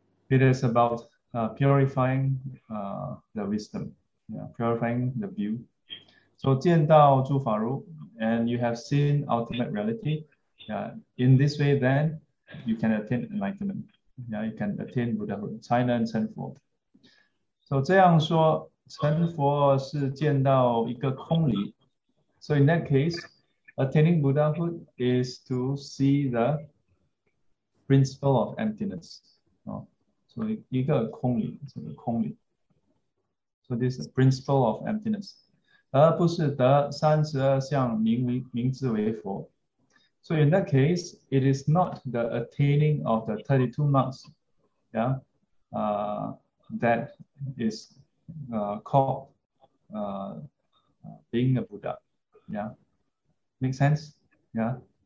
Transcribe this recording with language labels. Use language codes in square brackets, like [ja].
[en] It is about purifying the wisdom, yeah, purifying the view. So [zh] 见到诸法如, [en] and you have seen ultimate reality. Yeah, in this way, then you can attain enlightenment. Yeah, you can attain Buddhahood, [zh] 才能成佛. So 这样说,成佛是见到一个空离. [en] So in that case, attaining Buddhahood is to see the principle of emptiness. Oh, so [zh] 一个空离, [en] so this is the principle of emptiness. [zh] 而不是得32相名为名字为佛. [en] So in that case, it is not the attaining of the 32 marks, yeah, that is called being a Buddha. Yeah. Make sense? Yeah.